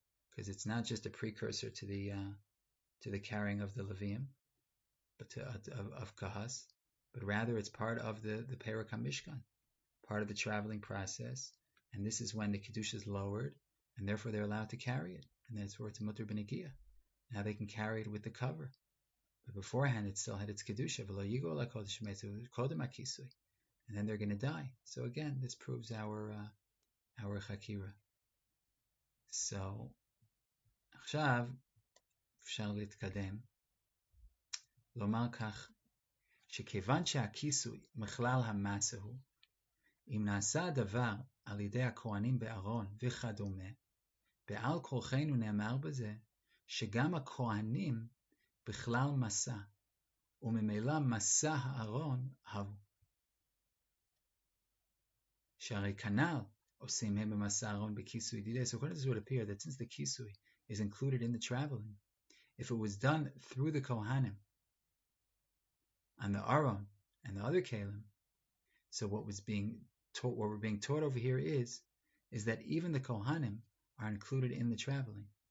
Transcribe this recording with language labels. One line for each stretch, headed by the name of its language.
English: Because it's not just a precursor to the carrying of the Levim, but to of Kahas, but rather it's part of the Perek HaMishkan, part of the traveling process, and this is when the Kedusha is lowered, and therefore they're allowed to carry it, and that's where it's a Mutar B'Negiah. Now they can carry it with the cover, but beforehand it still had its Kedusha, V'lo Yigo La Kodesh Metu Kodem HaKisui, and then they're going to die. So again, this proves our Chakira.
Hebrew: So, Achshav, אפשר להתקדם, לומר כך, שכיוון שהכיסוי מכלל המסה הוא, אם נעשה הדבר על ידי הכהנים בארון וכדומה, בעל כורחנו נאמר בזה, שגם הכהנים בכלל מסע, וממילא מסע הארון הוא. שהרי כנ"ל עושים הם במסע הארון בכיסוי דידי,
English: so what does it appear that since the כיסוי is included in the traveling, if it was done through the Kohanim and the Aron and the other Kalim, so what was being taught, what we're being taught over here is that even the Kohanim are included in the traveling.